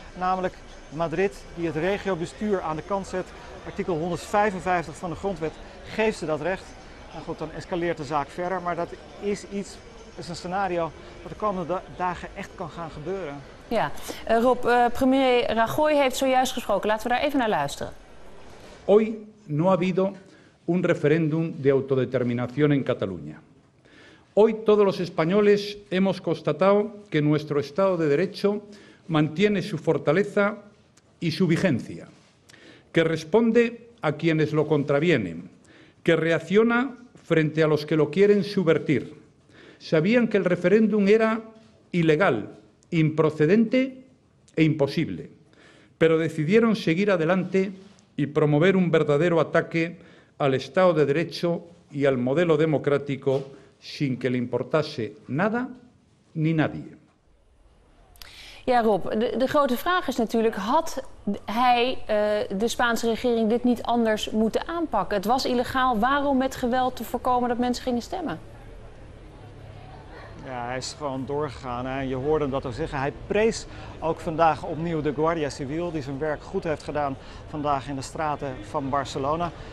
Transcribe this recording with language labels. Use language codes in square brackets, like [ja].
[nl] Namelijk Madrid, die het regiobestuur aan de kant zet. Artikel 155 van de grondwet geeft ze dat recht. En goed, dan escaleert de zaak verder. Maar dat is iets... Dat is een scenario wat de komende dagen echt kan gaan gebeuren. Ja, Rob, premier Rajoy heeft zojuist gesproken. Laten we daar even naar luisteren. [es] Hoy no ha habido un referéndum de autodeterminación en Cataluña. Hoy todos los españoles hemos constatado que nuestro Estado de Derecho mantiene su fortaleza y su vigencia, que responde a quienes lo contravienen, que reacciona frente a los que lo quieren subvertir. sabían que el referéndum era ilegal, improcedente e imposible, pero decidieron seguir adelante y promover un verdadero ataque al Estado de Derecho y al modelo democrático sin que le importase nada ni nadie. [nl] Ja, Rob, de grote vraag is natuurlijk, had hij, de Spaanse regering, dit niet anders moeten aanpakken? Het was illegaal, waarom met geweld te voorkomen dat mensen gingen stemmen? Ja, hij is gewoon doorgegaan en je hoorde hem dat al zeggen. Hij prees ook vandaag opnieuw de Guardia Civil, die zijn werk goed heeft gedaan vandaag in de straten van Barcelona.